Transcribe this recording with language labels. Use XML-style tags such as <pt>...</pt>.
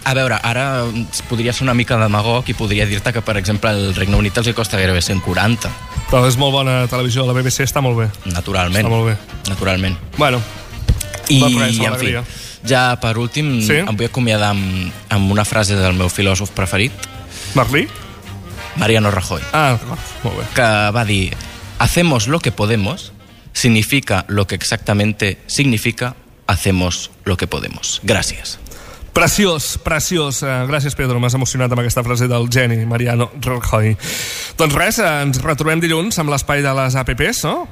<ca>A veure, ara podria ser una mica demagog i podria dir-te que, per exemple, al Regne Unit els costa gairebé 140. Però és molt bona la televisió, la BBC està molt bé. Naturalment. Està molt bé. Naturalment. Bueno, i en fi, ja per últim, em vull acomiadar amb una frase del meu filòsof preferit. Merlí? Mariano Rajoy. Ah, d'acord, molt bé. Que va dir,</ca> <es>hacemos lo que podemos significa lo que exactamente significa... Hacemos lo que podemos.</es> <ca>Gràcies. Preciós, preciós. Gràcies, Pedro. M'has emocionat amb aquesta frase del geni Mariano Rajoy. Doncs res, ens retrobem dilluns amb l'espai de les apps, no?</ca>